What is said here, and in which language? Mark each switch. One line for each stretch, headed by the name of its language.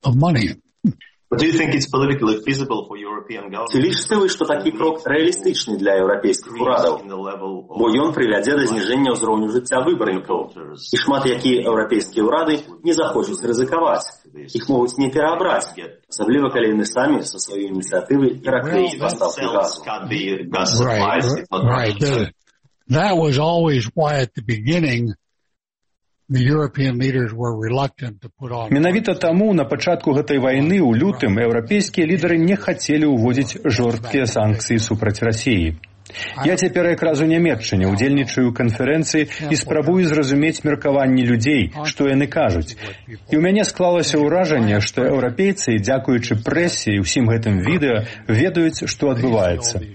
English: Do you think it's politically feasible for European governments?
Belarusian: Ці лічыце вы, што такі крок рэалістычны для еўрапейскіх урадаў? Бо ён прывядзе да зніжэння ўзроўню жыцця выбаркоў. І шмат якія еўрапейскія ўрады не захочуць рызыкаваць. Іх могуць не пераабраць, асабліва калі яны самі са сваёй ініцыятывы перакрыюць пастаўкі газу.
English: Right. That was always why at the beginning the European leaders were reluctant to put on.
Belarusian: Менавіта таму на пачатку гэтай вайны ў лютым еўрапейскія лідары не хацелі ўводзіць жорсткія санкцыі супраць Расіі. Я цяпер якраз у Нямеччыне удзельнічаю ў канферэнцыі і спрабую зразумець меркаванні людзей, што яны кажуць. І ў мяне склалася ўражанне, што еўрапейцы, дзякуючы прэсе і ўсім гэтым відэа, ведаюць, што адбываецца.